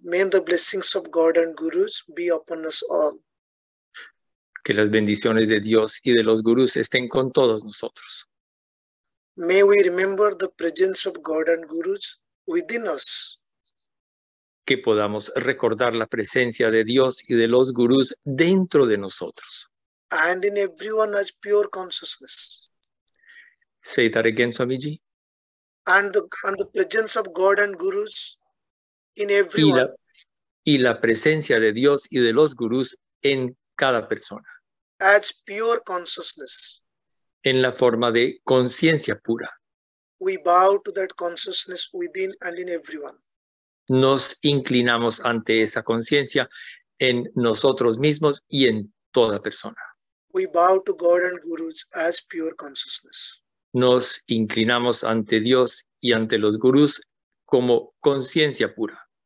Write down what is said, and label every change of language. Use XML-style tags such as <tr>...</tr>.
<en>May the blessings of God and Gurus be upon us all.</en> <es>Que las bendiciones de Dios y de los Gurús estén con todos nosotros.</es> <en>May we remember the presence of God and Gurus within us.</en> <es>Que podamos recordar la presencia de Dios y de los Gurús dentro de nosotros.</es> <en>And in everyone as pure consciousness. Say that again, Swamiji. And the presence of God and Gurus in everyone.</en> <es>Y la presencia de Dios y de los Gurús en cada persona.</es> <en>As pure consciousness.</en> <es>En la forma de conciencia pura.</es> <en>We bow to that consciousness within and in everyone.</en> <es>Nos inclinamos ante esa conciencia en nosotros mismos y en toda persona.</es> <en>We bow to God and Gurus as pure consciousness.</en> <es>Nos inclinamos ante Dios y ante los Gurús como conciencia pura.</es>